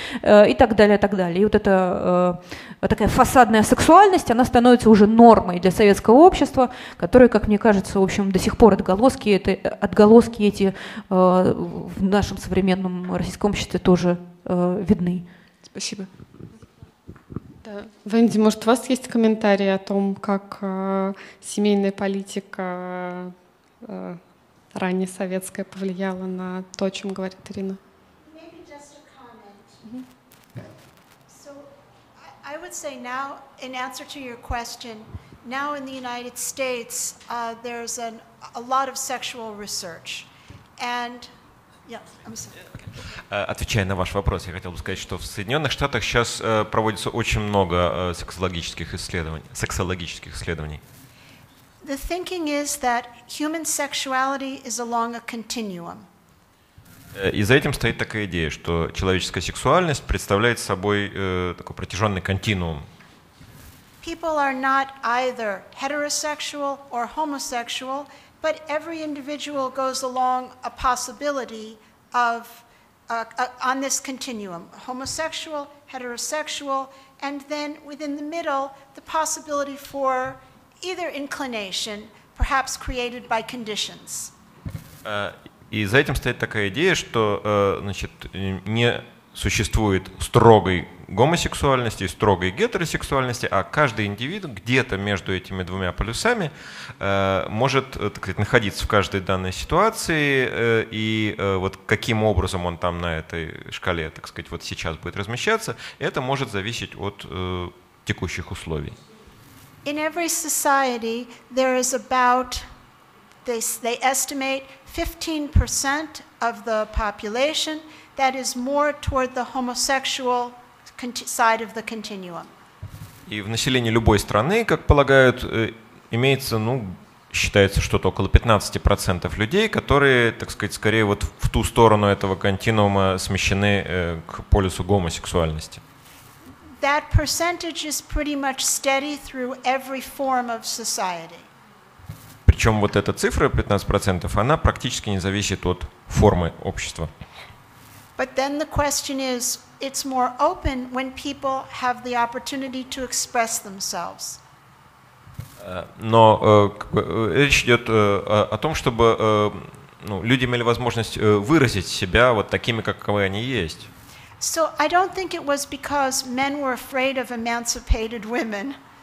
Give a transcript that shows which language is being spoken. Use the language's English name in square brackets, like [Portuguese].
[Russian] и так далее, так далее. И вот эта такая фасадная сексуальность, она становится уже нормой для советского общества, которое, как мне кажется, в общем, до сих пор отголоски эти в нашем современном российском обществе тоже видны. Спасибо. Да. Венди, может, у вас есть комментарии о том, как семейная политика ранее советская повлияла на то, о чем говорит Ирина? [English] I would say now, in answer to your question, now in the United States, there's a lot of sexual research. And, yeah, I'm sorry. [Russian] Отвечая на ваш вопрос, я хотел бы сказать, что в Соединенных Штатах сейчас проводится очень много сексологических исследований. [English] The thinking is that human sexuality is along a continuum. [Russian] И за этим стоит такая идея, что человеческая сексуальность представляет собой такой протяженный континуум. [English] People are not either heterosexual or homosexual, but every individual goes along a possibility of on this continuum: homosexual, heterosexual, and then within the middle, the possibility for either inclination, perhaps created by conditions. [Russian] И за этим стоит такая идея, что значит, не существует строгой гомосексуальности и строгой гетеросексуальности, а каждый индивид где-то между этими двумя полюсами может, так сказать, находиться в каждой данной ситуации, и вот каким образом он там на этой шкале, так сказать, вот сейчас будет размещаться, это может зависеть от текущих условий. [English] In every society there is about, they estimate, 15% of the population that is more toward the homosexual side of the continuum. [Russian] И в населении любой страны, как полагают, имеется, ну, считается, что-то около 15% людей, которые, так сказать, скорее вот в ту сторону этого континуума смещены к полюсу гомосексуальности. [English] That percentage is pretty much steady through every form of society. [Russian] Причем вот эта цифра 15%, она практически не зависит от формы общества. [English] But then the question is, it's more open when people have the opportunity to express themselves. [Russian] Но речь идет о том, чтобы люди имели возможность выразить себя вот такими, каковы они есть. [English] So I don't think it was because men were afraid of emancipated women.